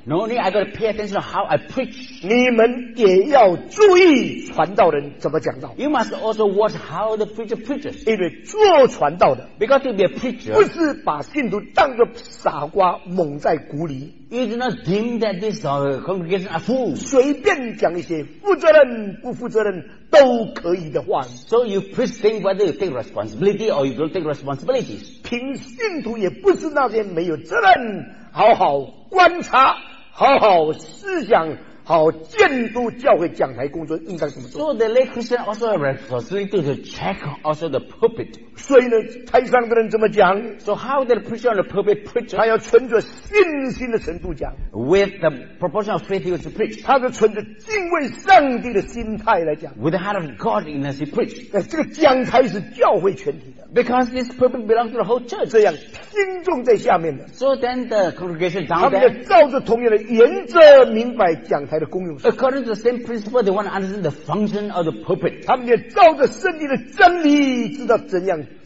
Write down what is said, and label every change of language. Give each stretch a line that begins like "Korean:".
English: ，Not only I got to pay attention to how I preach，
Chinese: 你们也要注意传道人怎么讲道
English: ，You must also watch how the preacher preaches，
Chinese: 因为做传道的
English: ，Because to be a preacher，
Chinese: 不是把信徒当个傻瓜蒙在鼓里
English: ，It's not deemed that this congregation are fools，
Chinese: 随便讲一些负责任不负责任。都可以的话,
English: so you preach things whether you take responsibility or you don't take responsibilities.
Chinese: 凭信徒也不是那些没有责任，好好观察，好好思想，好监督教会讲台工作应该怎么做。
English: So the lay Christian also have responsibility to check also the pulpit.
Chinese: 所以呢，台上的人怎么讲
English: ？So how the preacher on the pulpit preach?
Chinese: 他要存着信心的程度讲
English: ，with the proportion of faith he was to preach.
Chinese: 他是存着敬畏上帝的心态来讲
English: ，with the heart of godliness he preached.
Chinese: 这个讲台是教会全体的
English: ，because this pulpit belongs to the whole church.
Chinese: 这样听众在下面的
English: ，so then the congregation down there.
Chinese: 他们要照着同样的原则明白讲台的功用。
English: According to the same principle, they want to understand the function of the pulpit.
Chinese: 他们要照着圣经的真理，知道怎样。